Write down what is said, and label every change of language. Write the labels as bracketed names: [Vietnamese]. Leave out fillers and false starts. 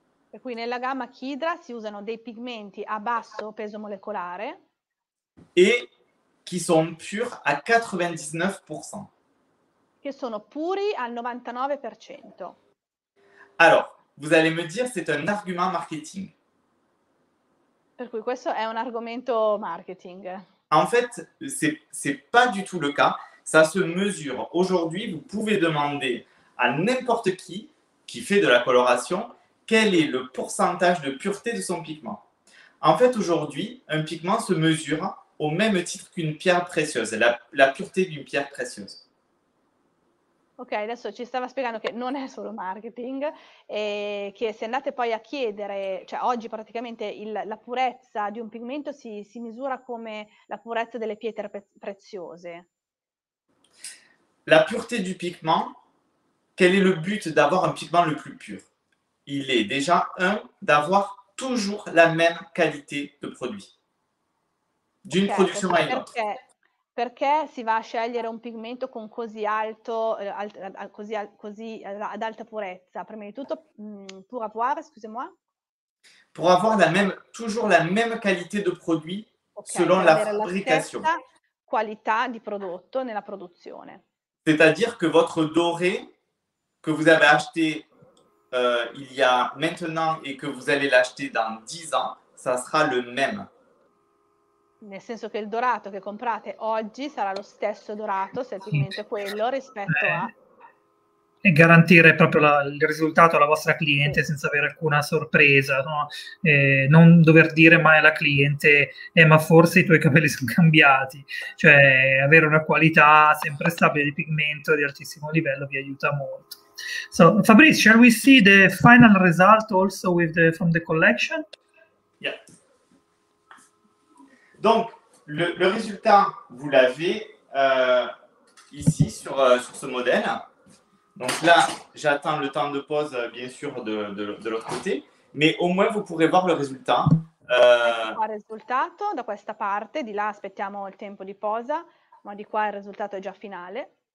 [Italian] Per cui nella gamma Kidra si usano dei pigmenti a basso peso molecolare e che sono puri a 99%. Che sono puri al 99%. [French] Alors, vous allez me dire c'est un argument marketing. [Italian] Per cui questo è un argomento marketing. [French] En fait, c'est pas du tout le cas, ça se mesure. Aujourd'hui, vous pouvez demander à n'importe qui fait de la coloration quel est le pourcentage de pureté de son pigment. En fait, aujourd'hui, un pigment se mesure au même titre qu'une pierre précieuse, la pureté d'une pierre précieuse. [Italian] Ok, adesso ci stava spiegando che non è solo marketing, e che se andate poi a chiedere, cioè oggi praticamente la purezza di un pigmento si misura come la purezza delle pietre preziose. [French] La pureté du pigment, quel est le but d'avoir un pigment le plus pur? Il est déjà un d'avoir toujours la même qualité de produit, d'une okay, production à une autre. [Italian] Perché, perché si va a scegliere un pigmento con così alto, ad alta purezza? Prima di tutto, [French] pour avoir, excusez-moi. Pour avoir la même, toujours la même qualité de produit, okay, selon la fabrication. [Italian] La stessa qualità di prodotto nella produzione. [French] C'est-à-dire que votre doré que vous avez acheté il y a maintenant et que vous allez l'acheter dans 10 ans, ça sera le même. [Italian] Nel senso che il dorato che comprate oggi sarà lo stesso dorato, semplicemente quello, rispetto a... E garantire proprio il risultato alla vostra cliente, sì, senza avere alcuna sorpresa, no? Non dover dire mai alla cliente, ma forse i tuoi capelli sono cambiati. Cioè, avere una qualità sempre stabile di pigmento di altissimo livello vi aiuta molto. [English] So, Fabrice, shall we see the final result also with the, from the collection? Yeah. [French] Donc, le résultat, vous l'avez ici sur ce modèle. Donc là, j'attends le temps de pause, bien sûr, de l'autre côté. Mais au moins, vous pourrez voir le résultat. [Italian] Qua il risultato, da questa parte, di là aspettiamo il tempo di pausa, ma di qua il risultato è già finale.